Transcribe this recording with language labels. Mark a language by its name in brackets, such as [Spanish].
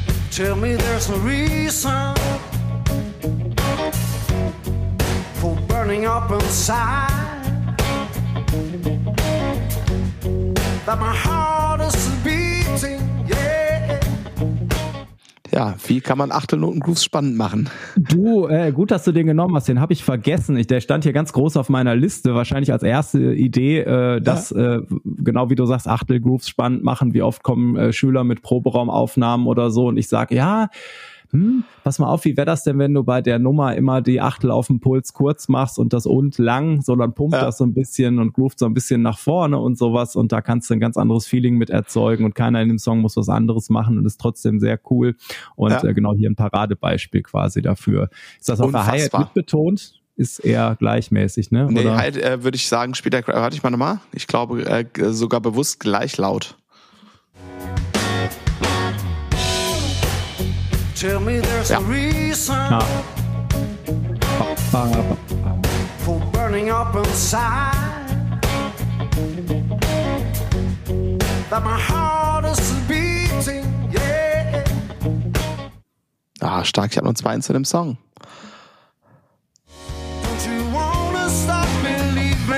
[English] Tell me there's no reason for burning up inside. That my heart is beating, yeah. [German] Ja, wie kann man Achtelnoten-Grooves spannend machen? Du, gut, dass du den genommen hast. Den habe ich vergessen. Der stand hier ganz groß auf meiner Liste. Wahrscheinlich als erste Idee, genau wie du sagst, Achtel-Grooves spannend machen. Wie oft kommen Schüler mit Proberaumaufnahmen oder so? Und ich sage, ja, pass mal auf, wie wäre das denn, wenn du bei der Nummer immer die Achtel auf dem Puls kurz machst und das und lang, sondern pumpt das so ein bisschen und groovt so ein bisschen nach vorne und sowas und da kannst du ein ganz anderes Feeling mit erzeugen und keiner in dem Song muss was anderes machen und ist trotzdem sehr cool und genau hier ein Paradebeispiel quasi dafür. Ist das auf der Hi-Hat mitbetont? Ist eher gleichmäßig, ne? Nee, Hi-Hat würde ich sagen, spielt er, warte ich mal nochmal, ich glaube sogar bewusst gleich laut. [English] Tell me there's a reason for burning up inside. That my heart is beating, yeah. [German] Ah, stark, ich hab noch zwei in dem Song. [English] Don't you wanna stop believing?